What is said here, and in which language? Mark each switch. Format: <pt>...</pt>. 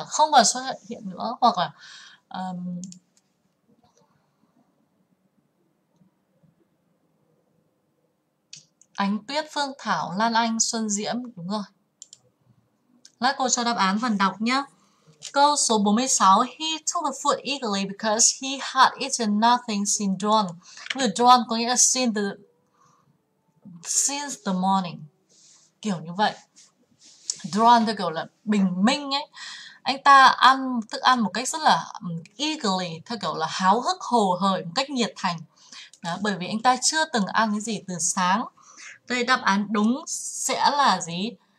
<vi>Không còn xuất hiện nữa. Hoặc là Ánh Tuyết Phương Thảo Lan Anh Xuân Diễm. Đúng rồi. Lát cô cho đáp án phần đọc nhé. Câu số 46.</vi> <en>He took the food eagerly because he had eaten nothing since dawn.</en> <vi>Từ dawn có nghĩa là</vi> <en>since the morning.</en> <vi>Kiểu như vậy. Dawn theo kiểu là bình minh ấy. Anh ta ăn thức ăn một cách rất là eagerly, theo kiểu là háo hức hồ hởi, một cách nhiệt thành. Đó, bởi vì anh ta chưa từng ăn cái gì từ sáng. Đây đáp án đúng sẽ là gì?</vi>